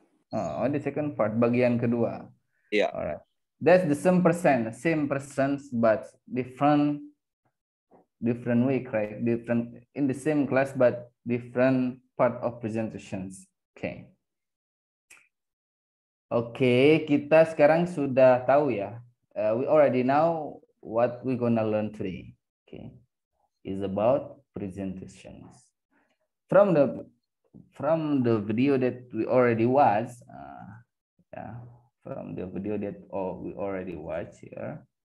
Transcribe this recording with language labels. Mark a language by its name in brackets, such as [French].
[English] Oh, the second part, [Indonesian] bagian kedua. [English] Yeah. All right. That's the same person, but different week, right? Different in the same class, but different part of presentations. Okay. [Indonesian] Kita sekarang sudah tahu ya. [English] We already know what we're gonna learn today. Okay. Is about presentations. From the video that we already watched. From the video that we already watched here.